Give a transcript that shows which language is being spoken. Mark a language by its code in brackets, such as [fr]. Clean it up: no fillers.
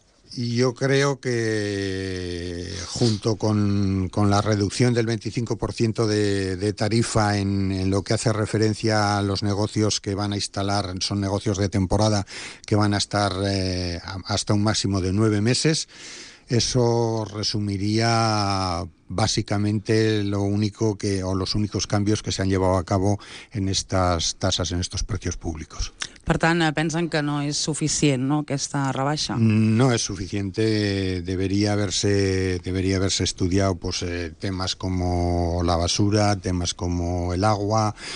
[es] Y yo creo que junto con la reducción del 25% de tarifa en lo que hace referencia a los negocios que van a instalar, son negocios de temporada que van a estar hasta un máximo de 9 meses, eso resumiría básicamente los únicos cambios que se han llevado a cabo en estas tasas, en estos precios públicos. [ca] Per tant, pensen que no és suficient, no, aquesta rebaixa? [es] No es suficiente. Debería haberse estudiado pues temas como la basura, temas como el agua.